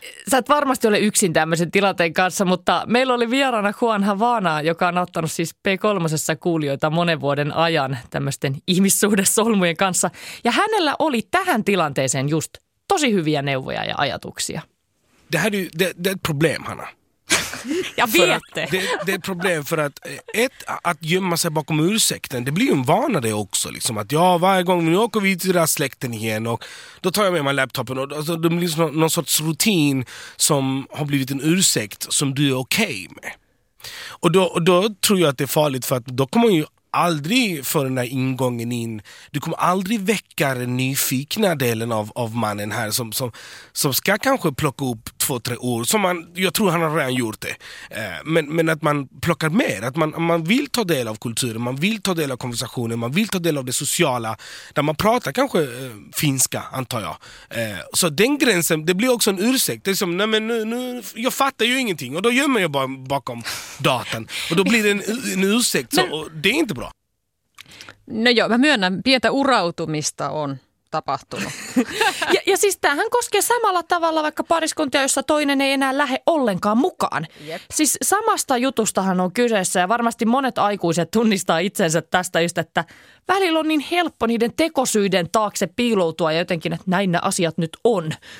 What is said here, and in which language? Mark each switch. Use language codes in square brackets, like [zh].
[fi] Sä et varmasti ole yksin tämmöisen tilanteen kanssa, mutta meillä oli vieraana Juan Havana, joka on ottanut siis P3:ssa kuulijoita monen vuoden ajan tämmöisten ihmissuhdesolmujen kanssa. Ja hänellä oli tähän tilanteeseen just tosi hyviä neuvoja ja ajatuksia. [sv] Det här är ju det problem, Hanna. Ja vet det. Det är problem för att att gömma sig bakom ursäkten, det blir ju en vana det också. Liksom, att ja, varje gång vi åker vi till den här släkten igen och då tar jag med mig laptopen. Och, alltså, det blir någon sorts rutin som har blivit en ursäkt som du är okej med. Och då tror jag att det är farligt för att då kommer ju aldrig få den här ingången in. Du kommer aldrig väcka den nyfikna delen av mannen här som ska kanske plocka upp 2-3 år. Som man, jag tror han har redan gjort det. Men att man plockar mer. Att man vill ta del av kulturen. Man vill ta del av konversationen. Man vill ta del av det sociala. Där man pratar kanske finska, antar jag. Så den gränsen, det blir också en ursäkt. Det är som, nej men nu, jag fattar ju ingenting. Och då gömmer jag bara bakom datan. Och då blir det en ursäkt. Så, och det är inte bra. [fi] No joo, mä myönnän, pientä urautumista on tapahtunut. ja siis tämähän koskee samalla tavalla vaikka pariskuntia, jossa toinen ei enää lähde ollenkaan mukaan. Jep. Siis samasta jutustahan on kyseessä ja varmasti monet aikuiset tunnistaa itsensä tästä just, että välillä on niin helppo niiden tekosyiden taakse piiloutua ja jotenkin, että näin nämä asiat nyt on.